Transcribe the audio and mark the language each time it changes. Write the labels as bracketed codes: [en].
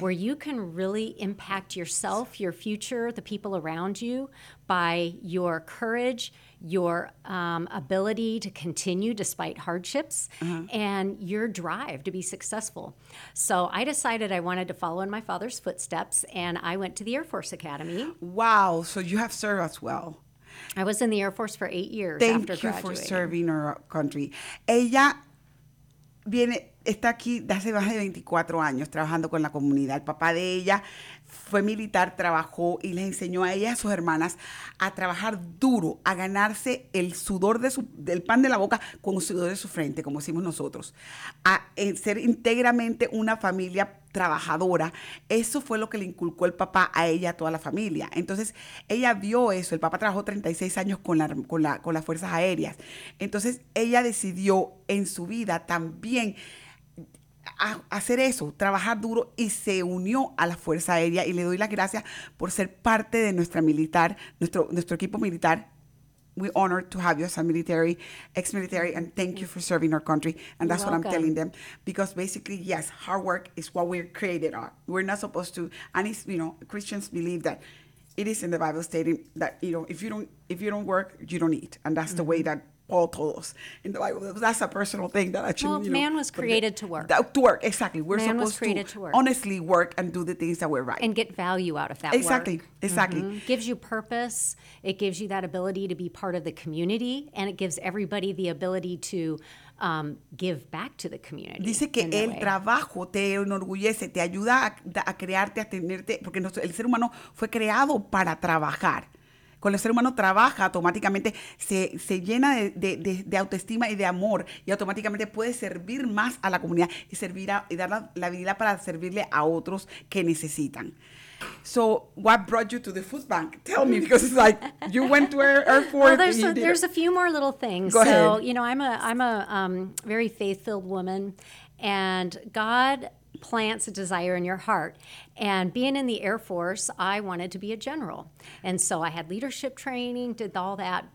[en] where you can really impact yourself, your future, the people around you by your courage, your ability to continue despite hardships, uh-huh, and your drive to be successful. So I decided I wanted to follow in my father's footsteps, and I went to the Air Force Academy. Wow, so you have served us well. I was in the Air Force for 8 years Thank after graduating. Thank you for serving our country. [es] Ella viene, está aquí desde hace más de 24 años trabajando con la comunidad. El papá de ella fue militar, trabajó y les enseñó a ella y a sus hermanas a trabajar duro, a ganarse el sudor de del pan de la boca con el sudor de su frente, como decimos nosotros, a ser íntegramente una familia trabajadora. Eso fue lo que le inculcó el papá a ella, a toda la familia. Entonces, ella vio eso. El papá trabajó 36 años con las Fuerzas Aéreas. Entonces, ella decidió en su vida también hacer eso, trabajar duro, y se unió a la Fuerza Aérea. Y le doy las gracias por ser parte de nuestra militar, nuestro equipo militar. [en] We honored to have you as a military, ex-military, and thank you for serving our country. And that's what I'm telling them. Because basically, yes, hard work is what we're created on. We're not supposed to, and it's, you know, Christians believe that it is in the Bible stating that, you know, if you don't work, you don't eat. And that's the way that Paul told us in the Bible. That's a personal thing that actually, well, you know. Well, man was created to work. To work, exactly. We're man supposed was created to work. Honestly work and do the things that we're right. And get value out of that exactly, work. Exactly, exactly. Mm-hmm. Gives you purpose. It gives you that ability to be part of the community. And it gives everybody the ability to give back to the community. [es] Dice que el trabajo te enorgullece, te ayuda a crearte, a tenerte, porque el ser humano fue creado para trabajar. Cuando el ser humano trabaja, automáticamente se llena de autoestima y de amor, y automáticamente puede servir más a la comunidad y servir y dar la habilidad para servirle a otros que necesitan. [en] So, what brought you to the food bank? Tell me, because it's like you went to Air Force. Well, there's a few more little things. Go ahead. So, you know, I'm a very faith-filled woman, and God plants a desire in your heart. And being in the Air Force, I wanted to be a general. And so I had leadership training, did all that.